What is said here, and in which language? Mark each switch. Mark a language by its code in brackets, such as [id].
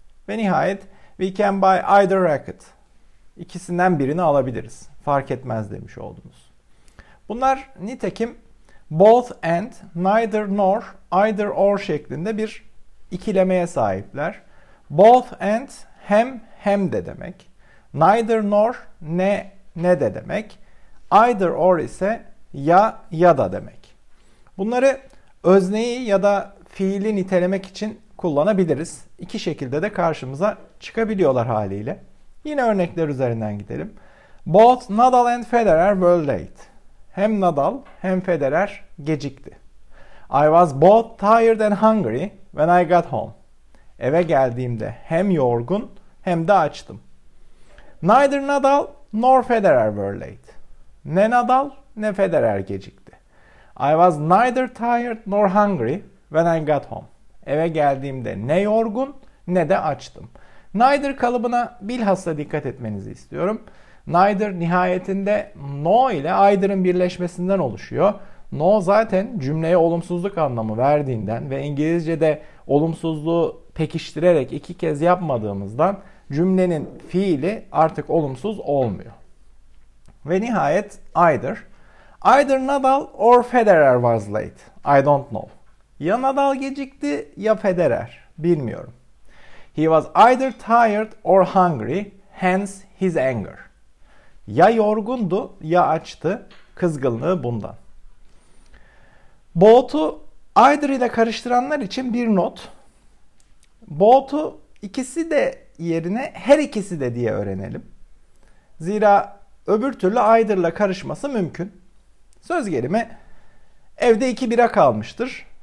[tr] Ve nihayet [en] we can buy either racket. [tr] İkisinden birini alabiliriz. Fark etmez demiş oldunuz. Bunlar nitekim both and, neither nor, either or şeklinde bir ikilemeye sahipler. Both and hem hem de demek. Neither nor ne ne de demek. Either or ise ya ya da demek. Bunları özneyi ya da fiili nitelemek için kullanabiliriz. İki şekilde de karşımıza çıkabiliyorlar haliyle. Yine örnekler üzerinden gidelim. [en] Both Nadal and Federer were late. [tr] Hem Nadal hem Federer gecikti. [en] I was both tired and hungry when I got home. [tr] Eve geldiğimde hem yorgun hem de açtım. [en] Neither Nadal nor Federer were late. [tr] Ne Nadal ne Federer gecikti. [en] I was neither tired nor hungry when I got home. [tr] Eve geldiğimde ne yorgun ne de açtım. Neither kalıbına bilhassa dikkat etmenizi istiyorum. Neither nihayetinde no ile either'ın birleşmesinden oluşuyor. No zaten cümleye olumsuzluk anlamı verdiğinden ve İngilizce'de olumsuzluğu pekiştirerek iki kez yapmadığımızdan cümlenin fiili artık olumsuz olmuyor. Ve nihayet either. [en] Either Nadal or Federer was late. I don't know. [tr] Ya Nadal gecikti ya Federer. Bilmiyorum. [en] He was either tired or hungry, hence his anger. [tr] Ya yorgundu ya açtı, kızgınlığı bundan. Both'u either ile karıştıranlar için bir not. Both'u ikisi de yerine her ikisi de diye öğrenelim. Zira öbür türlü either ile karışması mümkün. Söz gelimi evde iki bira kalmıştır.